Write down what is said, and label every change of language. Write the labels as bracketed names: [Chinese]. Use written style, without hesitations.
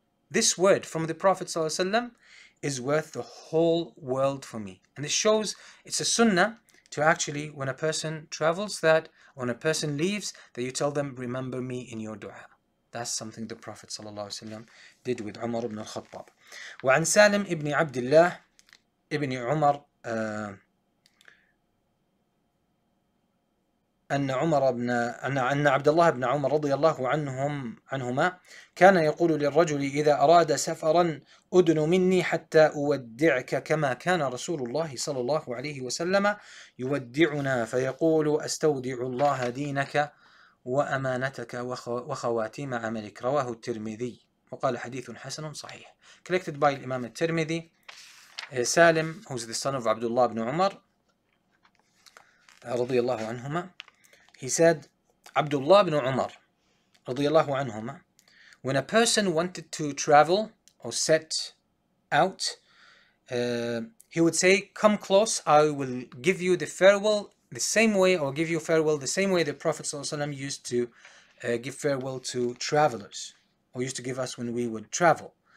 [English] This word from the Prophet ﷺ is worth the whole world for me. And it shows, it's a sunnah to actually, when a person travels, that when a person leaves, that you tell them, remember me in your dua. That's something the Prophet ﷺ did with Umar ibn al-Khattab. [Arabic] وعن سالم ابن عبد الله ابن عمر أن عبد الله بن عمر رضي الله عنهما كان يقول للرجل إذا أراد سفرا أدن مني حتى أودعك كما كان رسول الله صلى الله عليه وسلم يودعنا فيقول أستودع الله دينك وأمانتك وخواتيم عملك رواه الترمذي وقال حديث حسن صحيح. [English] Collected by الإمام الترمذي. سالم, who's the son of Abdullah ibn Umar رضي الله عنهما, he said, Abdullah ibn Umar رضي الله عنهما, when a person wanted to travel or set out, he would say, come close, I will give you the farewell the same way, or give you farewell the same way the Prophet ﷺ used to give farewell to travelers, or used to give us when we would travel.